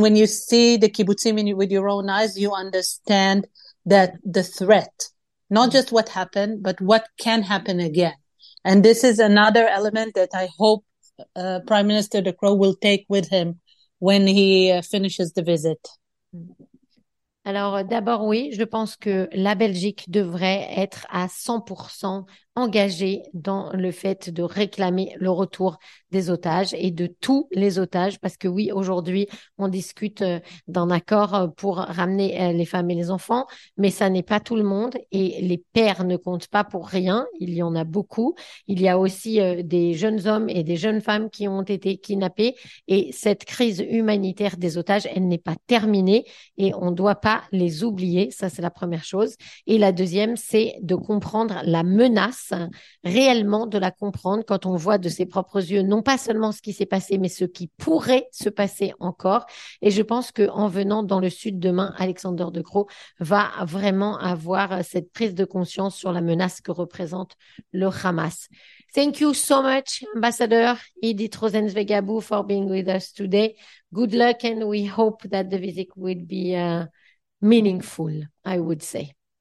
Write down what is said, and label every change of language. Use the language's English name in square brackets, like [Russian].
[English] When you see the kibbutzim with your own eyes, you understand that the threat, not just what happened, but what can happen again. And this is another element that I hope Prime Minister De Croo will take with him when he finishes the visit. [French] Alors d'abord, oui, je pense que la Belgique devrait être à 100% engagée dans le fait de réclamer le retour des otages et de tous les otages, parce que oui, aujourd'hui, on discute d'un accord pour ramener les femmes et les enfants, mais ça n'est pas tout le monde et les pères ne comptent pas pour rien, il y en a beaucoup. Il y a aussi des jeunes hommes et des jeunes femmes qui ont été kidnappés et cette crise humanitaire des otages, elle n'est pas terminée et on ne doit pas les oublier, ça c'est la première chose. Et la deuxième, c'est de comprendre la menace, réellement de la comprendre quand on voit de ses propres yeux non pas seulement ce qui s'est passé, mais ce qui pourrait se passer encore. Et je pense qu'en venant dans le Sud demain, Alexander De Croo va vraiment avoir cette prise de conscience sur la menace que représente le Hamas. [English] Thank you so much, Ambassador Edith Rosenzweig-Abou, for being with us today. Good luck, and we hope that the visit will be meaningful, I would say.